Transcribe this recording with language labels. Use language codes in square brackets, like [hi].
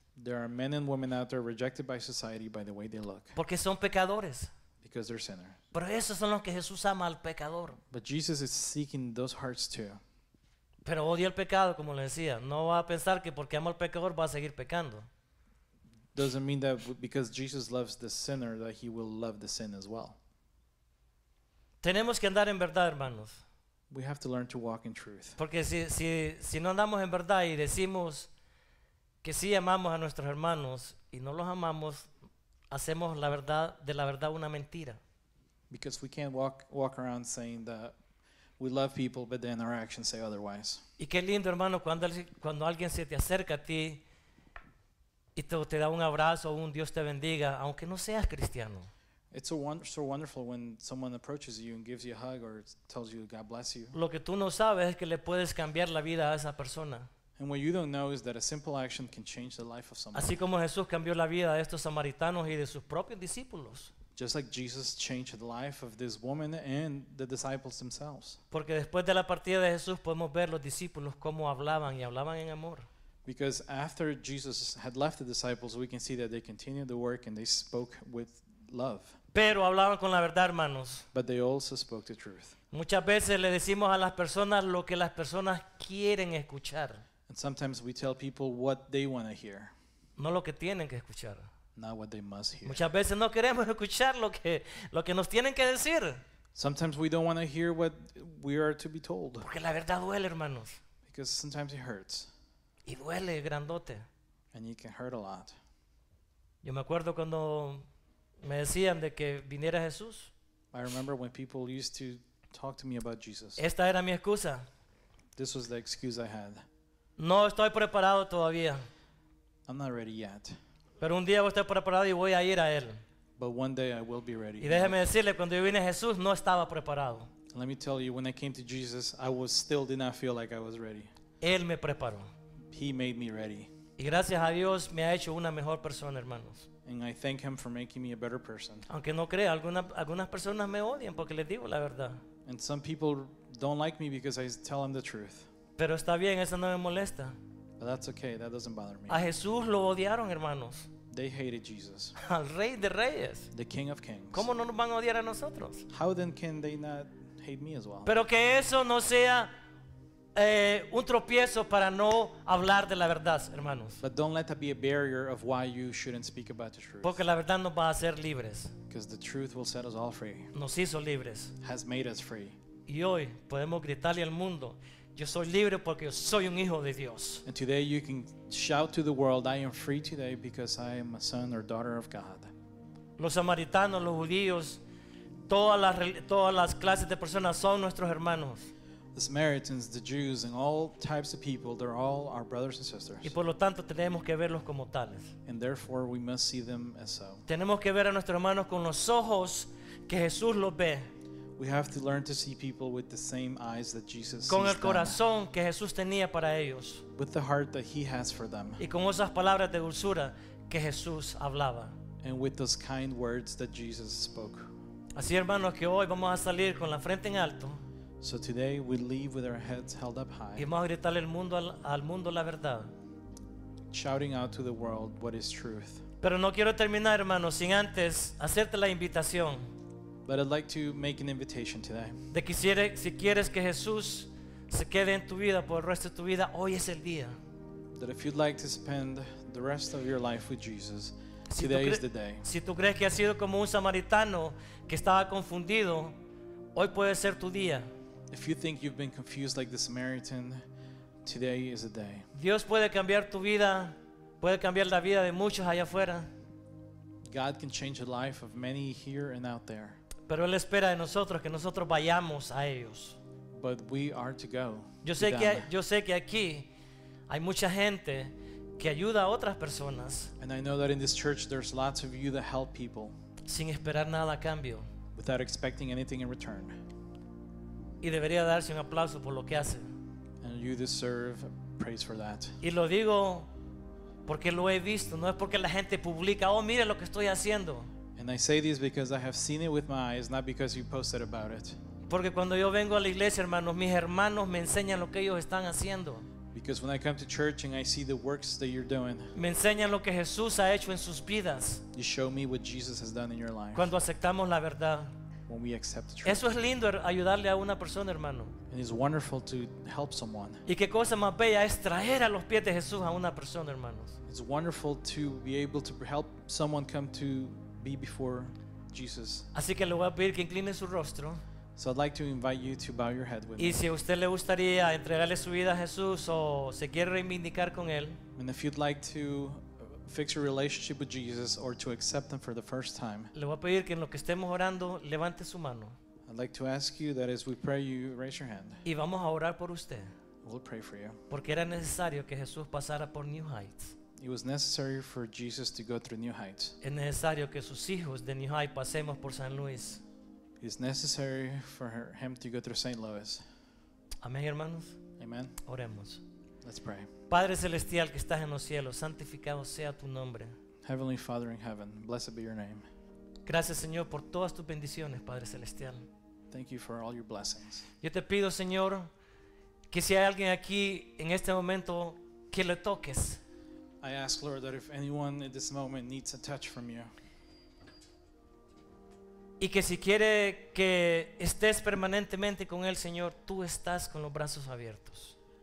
[en] There are men and women out there rejected by society by the way they look. [es] Porque son pecadores. [en] Because they're sinners. [es] Pero esos son los que Jesús ama al pecador. [en] But Jesus is seeking those hearts too. [es] Pero odia el pecado, como le decía. No va a pensar que porque ama al pecador va a seguir pecando. [en] Doesn't mean that because Jesus loves the sinner that he will love the sin as well. [es] Tenemos que andar en verdad, hermanos. [en] We have to learn to walk in truth. [es] Porque si no andamos en verdad y decimos que sí amamos a nuestros hermanos y no los amamos, hacemos la verdad de la verdad una mentira. [en] Because we can't walk around saying that we love people but then our actions say otherwise. [es] Y qué lindo, hermano, cuando alguien se te acerca a ti y te da un abrazo o un Dios te bendiga aunque no seas cristiano. [en] It's so wonderful when someone approaches you and gives you a hug or tells you God bless you. [es] Lo que tú no sabes es que le puedes cambiar la vida a esa persona. [en] And what you don't know is that a simple action can change the life of someone. [es] Así como Jesús cambió la vida de estos samaritanos y de sus propios discípulos. [en] Just like Jesus changed the life of this woman and the disciples themselves. [es] Porque después de la partida de Jesús podemos ver los discípulos cómo hablaban y hablaban en amor. [en] Because after Jesus had left the disciples, we can see that they continued the work and they spoke with love. [es] Pero hablaban con la verdad, hermanos. [en] But they also spoke the truth. [es] Muchas veces le decimos a las personas lo que las personas quieren escuchar. [en] And sometimes we tell people what they want to hear. [es] No lo que tienen que escuchar. [en] Not what they must hear. [es] Muchas veces no queremos escuchar lo que nos tienen que decir. [en] Sometimes we don't want to hear what we are to be told. [es] Porque la verdad duele, hermanos. [en] Because sometimes it hurts. [es] Y duele grandote. [en] And it can hurt a lot. [es] Yo me acuerdo cuando me decían de que viniera Jesús. [en] I remember when people used to talk to me about Jesus. [es] Esta era mi excusa. [en] This was the excuse I had. [es] No estoy preparado todavía. [en] I'm not ready yet. [es] Pero un día voy a estar preparado y voy a ir a él. [en] But one day I will be ready. [es] Y déjeme decirle, cuando yo vine a Jesús no estaba preparado. [en] Let me tell you, when I came to Jesus, I was still did not feel like I was ready. [es] Él me preparó. [en] He made me ready. [es] Y gracias a Dios me ha hecho una mejor persona, hermanos. [en] And I thank him for making me a better person. [es] Aunque no crea, algunas personas me odian porque les digo la verdad. [en] And some people don't like me because I tell them the truth. [es] Pero está bien, eso no me molesta. [en] But that's okay, that doesn't bother me. [es] A Jesús lo odiaron, hermanos. [en] They hated Jesus. [es] Al Rey de Reyes. [en] The King of Kings. [es] ¿Cómo no nos van a odiar a nosotros? [en] How then can they not hate me as well? [es] Pero que eso no sea un tropiezo para no hablar de la verdad, hermanos. [en] But don't let that be a barrier of why you shouldn't speak about the truth. [es] Porque la verdad nos va a hacer libres. [en] Because the truth will set us all free. [es] Nos hizo libres. [en] Has made us free. [es] Y hoy podemos gritarle al mundo, yo soy libre porque yo soy un hijo de Dios. [en] And today you can shout to the world, I am free today because I am a son or daughter of God. [es] Los samaritanos, los judíos, todas las clases de personas son nuestros hermanos. [en] The Samaritans, the Jews, and all types of people, they're all our brothers and sisters. [es] Y por lo tanto, tenemos que verlos como tales. [en] And therefore, we must see them as so. [es] Tenemos que ver a nuestros hermanos con los ojos que Jesús los ve. [en] We have to learn to see people with the same eyes that Jesus sees them. [es] Con el corazón que Jesús tenía para ellos. [en] With the heart that he has for them. [es] Y con esas palabras de dulzura que Jesús hablaba. [en] And with those kind words that Jesus spoke. [es] Así, hermanos, que hoy vamos a salir con la frente en alto. [en] So today we leave with our heads held up high. [es] Y vamos a gritarle al mundo la verdad. [en] Shouting out to the world what is truth. [es] Pero no quiero terminar, hermanos, sin antes hacerte la invitación. [en] But I'd like to make an invitation today. [es] De que si quieres que Jesús se quede en tu vida por el resto de tu vida, hoy es el día. [en] That if you'd like to spend the rest of your life with Jesus, today is the day. [es] Si tú crees que has sido como un samaritano que estaba confundido, hoy puede ser tu día. [en] If you think you've been confused like the Samaritan, today is the day. [es] Dios puede cambiar tu vida, puede cambiar la vida de muchos allá afuera. [en] God can change the life of many here and out there. [es] Pero Él espera de nosotros que nosotros vayamos a ellos. [en] But we are to go. [es] Yo sé que aquí hay mucha gente que ayuda a otras personas. [en] And I know that in this church there's lots of you that help people. [es] Sin esperar nada a cambio. [en] Without expecting anything in return. [es] Y debería darse un aplauso por lo que hace. [en] And you deserve praise for that. [es] Y lo digo porque lo he visto, no es porque la gente publica, oh, mire lo que estoy haciendo. [en] And I say this because I have seen it with my eyes, not because you posted about it. [es] Porque cuando yo vengo a la iglesia, hermanos, mis hermanos me enseñan lo que ellos están haciendo. [en] Because when I come to church and I see the works that you're doing. [es] Me enseñan lo que Jesús ha hecho en sus vidas. [en] You show me what Jesus has done in your life. [es] Cuando aceptamos la verdad. [en] When we accept the truth. [es] Eso es lindo, ayudarle a una persona, hermano. [en] And it's wonderful to help someone. [es] Y qué cosa más bella es traer a los pies de Jesús a una persona, hermanos. [en] It's wonderful to be able to help someone come to be before Jesus. [es] Así que le voy a pedir que incline su rostro. [en] So I'd like to invite you to bow your head with me. [es] Y si a usted le gustaría entregarle su vida a Jesús o se quiere reivindicar con él. [en] And if you'd like to fix your relationship with Jesus or to accept him for the first time. [es] Le voy a pedir que en lo que estemos orando levante su mano. [en] I'd like to ask you that as we pray you raise your hand. [es] Y vamos a orar por usted. [en] We'll pray for you. [es] Porque era necesario que Jesús pasara por New Heights. [en] It was necessary for Jesus to go through New Heights. [es] Es necesario que sus hijos de New Heights pasemos por San Luis. [en] It's necessary for him to go through St. Louis. [es] Amén, hermanos. [en] Amen. [es] Oremos. [en] Let's pray. [es] Padre celestial que estás en los cielos, santificado sea tu nombre. [en] Heavenly Father in heaven, blessed be your name. [es] Gracias, Señor, por todas tus bendiciones, Padre celestial. [en] Thank you for all your blessings. [es] Yo te pido, Señor, que si hay alguien aquí en este momento que le toques. [en] I ask Lord that if anyone at this moment needs a touch from you. [es] Y que si quiere que estés permanentemente con él, Señor, tú estás con los brazos abiertos.